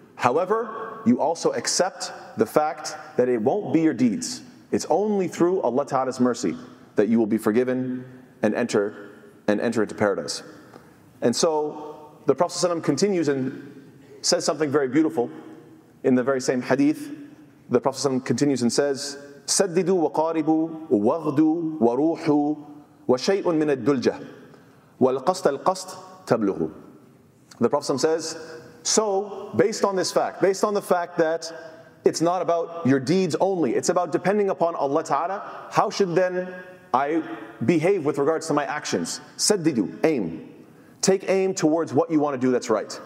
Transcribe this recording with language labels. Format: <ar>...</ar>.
<en>However, you also accept the fact that it won't be your deeds. It's only through Allah Ta'ala's mercy that you will be forgiven and enter into paradise. And so the Prophet ﷺ continues and says something very beautiful in the very same hadith. The Prophet ﷺ continues and says,</en> <ar>سددوا وقاربوا وغدوا وروحوا وشيء من الدلجة والقصد القصد تبلغوا.</ar> <en>The Prophet ﷺ says, so based on this fact, based on the fact that it's not about your deeds only, it's about depending upon Allah Ta'ala, how should then I behave with regards to my actions? Saddidu, aim. Take aim towards what you want to do that's right.</en>